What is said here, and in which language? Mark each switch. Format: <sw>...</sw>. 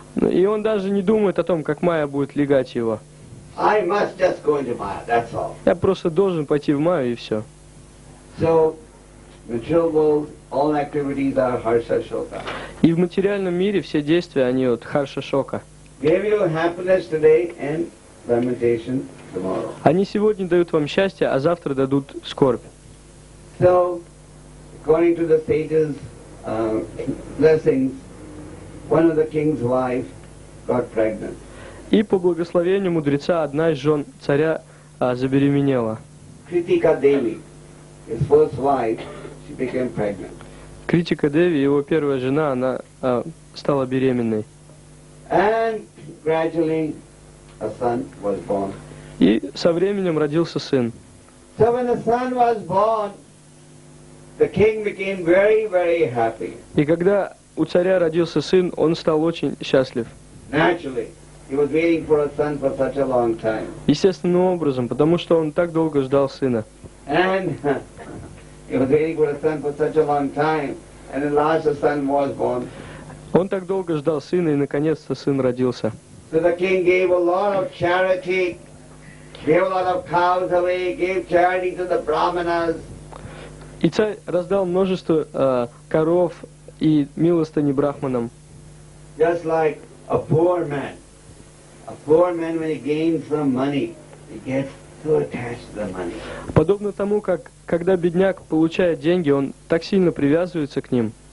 <ru>И он даже не думает о том, как Майя будет легать его.</ru> <en>I must just go into Maya, that's all.</en> <ru>Я просто должен пойти в Майю, и все.</ru> <en>So, material world, all activities are Harsha Shoka.</en> <ru>И в материальном мире все действия, они от Харша Шока.</ru> <en>Give you happiness today and lamentation tomorrow.</en> <ru>Они сегодня дают вам счастье, а завтра дадут скорбь.</ru> <en>So, according to the sage's blessings, one of the king's wife got pregnant.</en> <ru>И по благословению мудреца одна из жен царя забеременела.</ru> <en>Kritika Devi, his first wife, she became pregnant.</en> <ru>Kritika Devi, его первая жена, она стала беременной.</ru> <en>And gradually a son was born.</en> <ru>И со временем родился сын.</ru> <en>So when the son was born, the king became very, very happy.</en> <ru>И когда у царя родился сын, он стал очень счастлив.</ru> <en>Naturally, he was waiting for a son for such a long time.</en> <ru>Естественным образом, потому что он так долго ждал сына.</ru> <en>And he was waiting for a son for such a long time, and at last the son was born.</en> <ru>Он так долго ждал сына, и наконец-то сын родился.</ru> <en>So the king gave a lot of charity, gave a lot of cows away, gave charity to the brahmanas.</en> <ru>И царь раздал множество коров и милостыни брахманам.</ru> <en>Just like a poor man. A poor man, when he gains some money, he gets too attached to the money.</en> <ru>Подобно тому, как когда бедняк получает деньги, он так сильно привязывается к ним.</ru>